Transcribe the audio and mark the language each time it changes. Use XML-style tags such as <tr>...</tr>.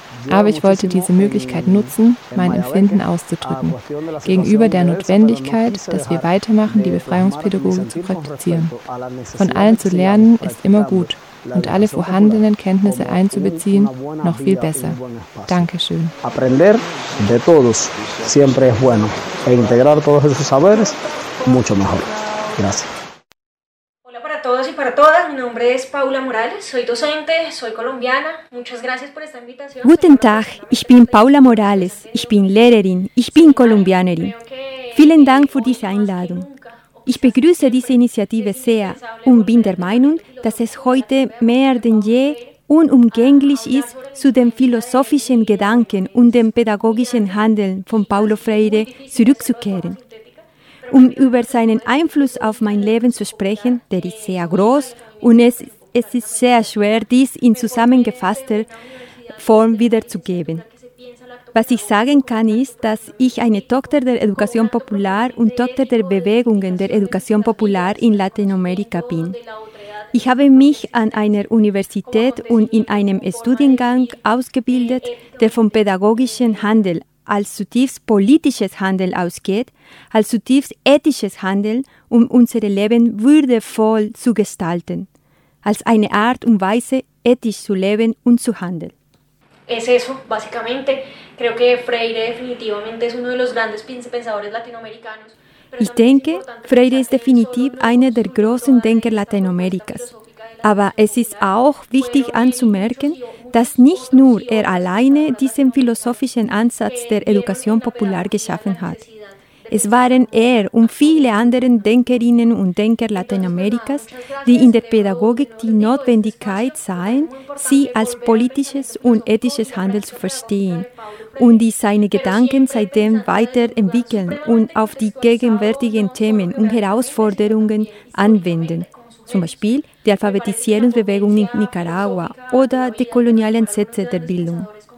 <de>Aber ich wollte diese Möglichkeit nutzen, mein Empfinden auszudrücken, gegenüber der Notwendigkeit, dass wir weitermachen, die Befreiungspädagogik zu praktizieren. Von allen zu lernen ist immer gut. Und alle vorhandenen Kenntnisse einzubeziehen, noch viel besser. Dankeschön.</de> <es>Aprender de todos siempre es bueno. E integrar todos esos saberes, mucho mejor. Gracias. Hola para todos y para todas. Mi nombre es Paula Morales. Soy docente, soy colombiana. Muchas gracias por esta invitación.</es> <de>Guten Tag, ich bin Paula Morales. Ich bin Lehrerin, ich bin Kolumbianerin. Vielen Dank für diese Einladung. Ich begrüße diese Initiative sehr und bin der Meinung, dass es heute mehr denn je unumgänglich ist, zu den philosophischen Gedanken und dem pädagogischen Handeln von Paulo Freire zurückzukehren. Um über seinen Einfluss auf mein Leben zu sprechen, der ist sehr groß und es ist sehr schwer, dies in zusammengefasster Form wiederzugeben. Was ich sagen kann, ist, dass ich eine Tochter der Education Popular und Tochter der Bewegungen der Education Popular in Lateinamerika bin. Ich habe mich an einer Universität und in einem Studiengang ausgebildet, der vom pädagogischen Handel als zutiefst politisches Handel ausgeht, als zutiefst ethisches Handel, um unser Leben würdevoll zu gestalten, als eine Art und Weise, ethisch zu leben und zu handeln.</de> <es>Es eso, básicamente. Creo que Freire definitivamente es uno de los grandes pensadores latinoamericanos.</es> <de>Ich denke, Freire ist definitiv einer der großen Denker Lateinamerikas. Aber es ist auch wichtig anzumerken, dass nicht nur er alleine diesen philosophischen Ansatz der Education Popular geschaffen hat. Es waren er und viele andere Denkerinnen und Denker Lateinamerikas, die in der Pädagogik die Notwendigkeit sahen, sie als politisches und ethisches Handeln zu verstehen und die seine Gedanken seitdem weiterentwickeln und auf die gegenwärtigen Themen und Herausforderungen anwenden, zum Beispiel die Alphabetisierungsbewegung in Nicaragua oder die kolonialen Sätze der Bildung.</de>